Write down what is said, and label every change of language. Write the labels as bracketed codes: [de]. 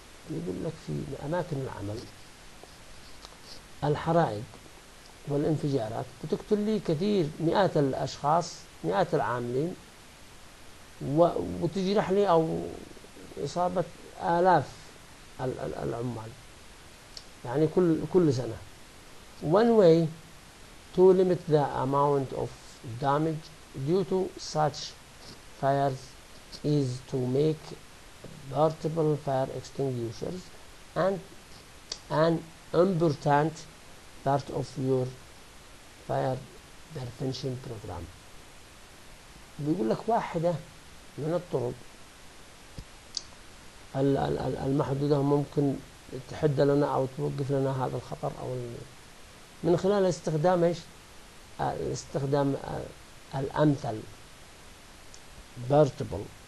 [ar] يقول لك في أماكن العمل الحرائق والانفجارات بتقتل لي كثير، مئات الأشخاص، مئات العاملين، وتجرح لي أو إصابة آلاف العمال يعني كل سنة. [en] One way to limit the amount of damage due to such fires is to make portable fire extinguishers and an important part of your fire prevention program. [ar] بيقول لك واحدة من الطرق المحدودة ممكن تحد لنا أو توقف لنا هذا الخطر، أو من خلال استخدام ايش؟ استخدام الأمثل بارتبل،